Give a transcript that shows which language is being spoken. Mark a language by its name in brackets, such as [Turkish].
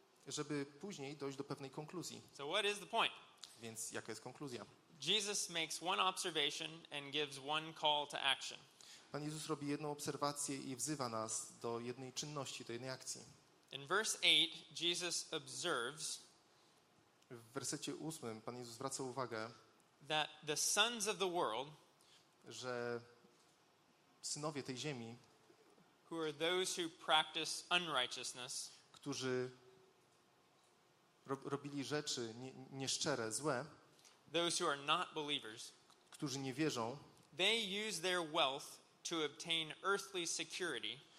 [Polish] Żeby później dojść do pewnej konkluzji. [English] So what is the point? [Polish] Więc jaka jest konkluzja? [English] Jesus makes one observation and gives one call to action. [Polish] Pan Jezus robi jedną obserwację i wzywa nas do jednej czynności, do jednej akcji. [English] In verse 8, Jesus observes. [Polish] W wersecie 8 Pan Jezus zwraca uwagę, [English] that the sons of the world, [Polish] że synowie tej ziemi, [English] who are those who practice unrighteousness, [Polish] którzy robili rzeczy nieszczere, złe, [English] those who are not believers, [Polish] którzy nie wierzą, [English] they use their wealth to obtain earthly security,